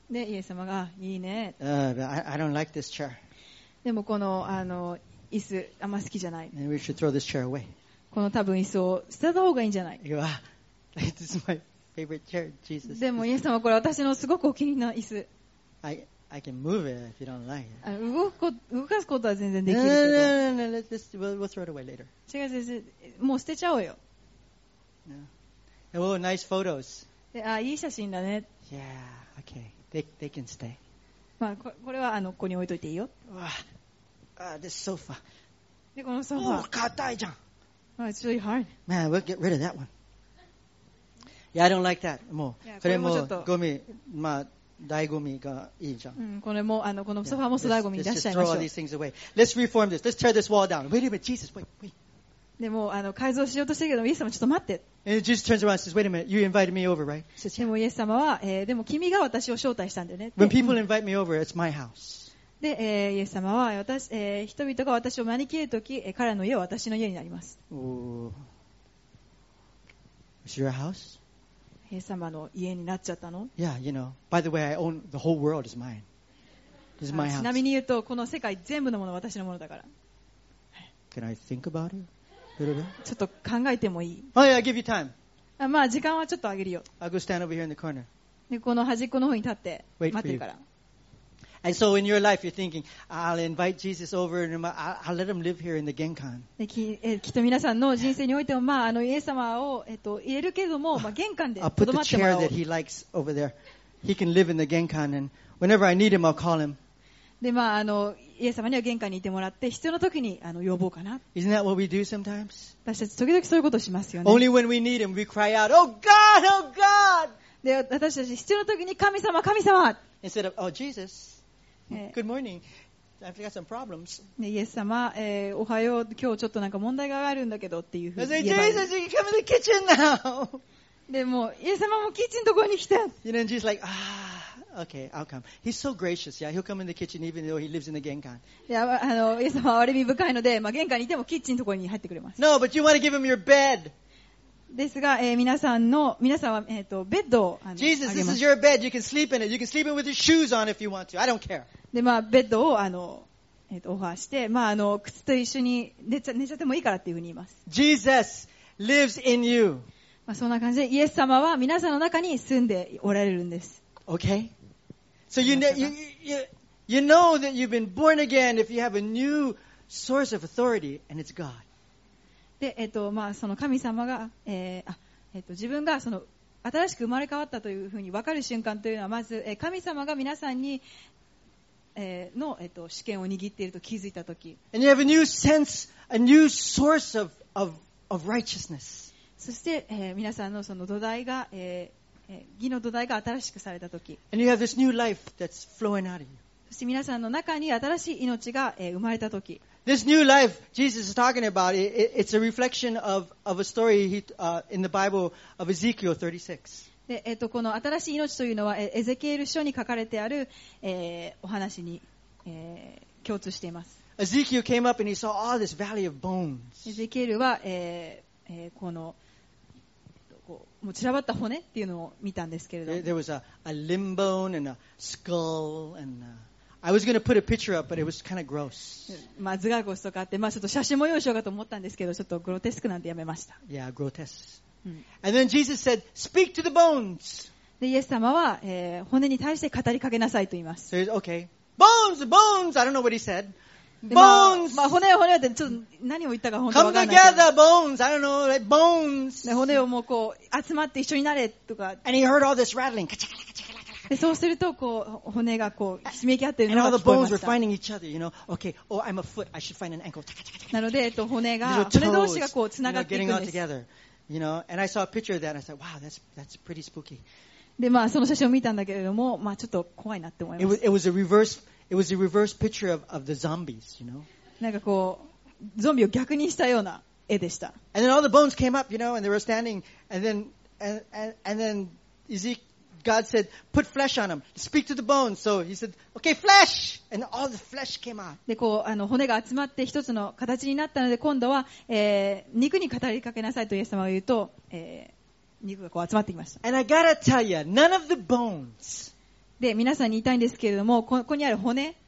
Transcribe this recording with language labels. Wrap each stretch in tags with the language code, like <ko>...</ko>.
<ja>で、イエス様がいいね。</ja> <en>I don't like this chair.</en> <ja>でもこの椅子あんま好きじゃない。</ja> <en>And we should throw this chair away.</en> <ja>この多分椅子を捨てた方がいいんじゃない。</ja> <en>You are. This is my favorite chair, Jesus.</en> <ja>でもイエス様これ私のすごくお気に入りの椅子。</ja> <en>I can move it if you don't like it.</en> <ja>動かすことは全然できるけど。</ja> <en>No, let's just, we'll throw it away later.</en> <ja>違う先生、もう捨てちゃおうよ。</ja> <en>Yeah. Oh, nice photos.</en> <ja>あ、いい写真だね。</ja> <en>Yeah, okay. They can stay.</en> <ja>まあ、これはここに置いといていいよ。</ja> <en>わあ、this sofa.</en> <ja>で、このソファ。おお、硬いじゃん。</ja> <en>まあ、it's really hard. Man, we'll get rid of that one. Yeah, I don't like that. もう、</en> <ja>これもゴミ、まあ、大ゴミがいいじゃん。うん、これもこのソファーも粗大ゴミ出しちゃいましょう。</ja> <en>Let's just throw all these things away. Let's reform this. Let's tear this wall down. Wait a minute, Jesus, wait.</en> <ja>でも改造しようとしてるけど、イエス様ちょっと待って。</ja> <en>And Jesus turns around and says, "Wait a minute, you invited me over, right?"</en> <ja>でもイエス様は、でも君が私を招待したんだよね。</ja> <en>When people invite me over, it's my house.</en> <ja>で、イエス様は私、人々が私を招き入れるとき、彼の家は私の家になります。</ja> <en>おお。Is your house?</en> <ja>イエス様の家になっちゃったの？</ja> <en>Yeah, you know. By the way, I own the whole world is mine. This is my house.</en> <ja>ちなみに言うと、この世界全部のもの私のものだから。</ja> <en>Can I think about it?</en> <ja>ちょっと考えてもいい？</ja> <en>Oh yeah, give you time.</en> <ja>あ、まあ時間はちょっとあげるよ。</ja> <en>I'll go stand over here in the corner.</en> <ja>で、この端っこの方に立って待ってるから。</ja> <en>And so in your life, you're thinking, I'll invite Jesus over and I'll let him live here in the 玄関.</en> <ja>きっと皆さんの人生においても、まあ、イエス様を、入れるけども、まあ、玄関で留まってもらおう。</ja> <en>I'll put the chair that he likes over there. He can live in the 玄関 and whenever I need him, I'll call him.</en> <ja>で、まあ、イエス様には玄関にいてもらって、必要な時に呼ぼうかな。</ja> <en>Isn't that what we do sometimes?</en> <ja>私たち時々そういうことをしますよね。</ja> <en>Only when we need him, we cry out, Oh God, Oh God!</en> <ja>で、私たち必要な時に神様、神様</ja> <en>Instead of, Oh Jesus. Good morning. I've got some problems.</en> <ja>イエス様、おはよう。今日ちょっとなんか問題があるんだけどっていうふうに言えば。</ja> <en>Jesus, you can come to the kitchen now.</en> <ja>でも、イエス様もキッチンのところに来て。</ja> <en>You know, Jesus like, ah, okay, I'll come. He's so gracious. Yeah, he'll come in the kitchen even though he lives in the 玄関.</en> <ja>Yeah, イエス様は憐み深いので、まあ、玄関にいてもキッチンのところに入ってくれます。</ja> <en>No, but you want to give him your bed.</en> <ja>ですが、皆さんは、ベッドを</ja> <en>Jesus, this is your bed. You can sleep in it. You can sleep in with your shoes on if you want to. I don't care.</en> <ja>で、まあ、ベッドを、オファーして、まあ、靴と一緒に寝ちゃってもいいからっていうふうに言います。</ja> <en>Jesus lives in you.</en> <ja>まあ、そんな感じで、イエス様は皆さんの中に住んでおられるんです。</ja> <en>Okay? So you know that you've been born again if you have a new source of authority, and it's God.</en> <ja>で、まあ、その神様が、自分がその、新しく生まれ変わったというふうに分かる瞬間というのは、まず、神様が皆さんに、の試験を握っていると気づいたとき。</ja> <en>And you have a new sense, a new source of righteousness.</en> <ja>そして、皆さんのその土台が、義の土台が新しくされたとき。</ja> <en>And you have this new life that's flowing out of you.</en> <ja>そして皆さんの中に新しい命が、生まれたとき。</ja> <en>This new life Jesus is talking about, it's a reflection of a story in the Bible of Ezekiel 36.</en> <ja>で、この新しい命というのは、エゼキエル書に書かれてある、お話に、共通しています。</ja> <en>Ezekiel came up and he saw all this valley of bones.</en> <ja>エゼキエルは、この、もう散らばった骨っていうのを見たんですけれども</ja> <en>。There was a limb bone and a skull and a... I was going to put a picture up, but it was kind of gross.</en> <ja>まあ頭蓋骨とかあって、まあちょっと写真も用意しようかと思ったんですけど、ちょっとグロテスクなんでやめました。</ja> <en>Yeah, grotesque.、うん、And then Jesus said, "Speak to the bones."</en> <ja>で、イエス様は、骨に対して語りかけなさいと言います。</ja> <en>So he said, "Okay, bones, bones." I don't know what he said. Bones.</en> <ja>まあ骨は骨はってちょっと何を言ったか本当に分からない。</ja> <en>Come together, bones. I don't know, like bones.</en> <ja>で、骨をもうこう集まって一緒になれとか。</ja> <en>And he heard all this rattling. カチャカチャカチャ。</en> <ja>でそうするとこう骨がこうひしめき合っているのが聞こえました。</ja> <en>Other, you know? okay. oh, I'm a foot. I should find an ankle.</en> <ja>なので骨同士がこうつながっていくんです。</ja> <en>You know? And I saw a picture of that. I said, "Wow, that's pretty spooky."</en> <ja>でまあその写真を見たんだけれども、まあちょっと怖いなって思います。</ja> <en>It was a reverse picture of the zombies. You know?</en> <ja>なんかこうゾンビを逆にしたような絵でした。</ja> <en>And then all the bones came up, you know, and they were standing, and then God said, "Put flesh on him. Speak to the bones." So he said, "Okay, flesh." And all the flesh came out.</en> <ja>で、こうあの骨が集まって一つの形になったので、今度は、肉に語りかけなさいとイエス様が言うと、肉がこう集まってきました。</ja> <en>And I gotta tell you, none of the bones.</en> <ja>で、皆さんに言いたいんですけれども、ここにある骨。</ja>